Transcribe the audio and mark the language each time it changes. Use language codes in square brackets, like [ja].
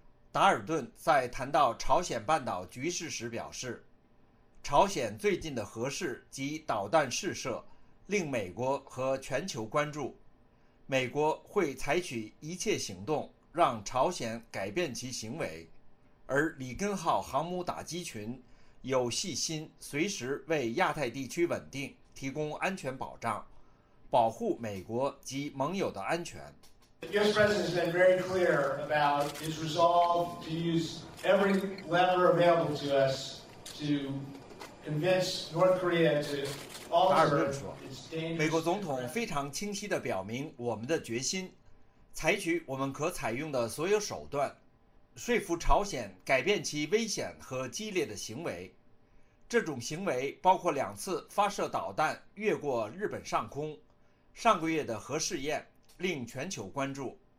[zh] 达尔顿在谈到朝鲜半岛局势时表示，朝鲜最近的核试及导弹试射令美国和全球关注，美国会采取一切行动让朝鲜改变其行为，而里根号航母打击群有信心随时为亚太地区稳定提供安全保障，保护美国及盟友的安全。 [en] The US President has been very clear about his resolve to use every lever available to us to convince North Korea to alter. [zh] 达尔顿说，美国总统非常清晰地表明我们的决心，采取我们可采用的所有手段，说服朝鲜改变其危险和激烈的行为。这种行为包括2次发射导弹越过日本上空，上个月的核试验令全球关注。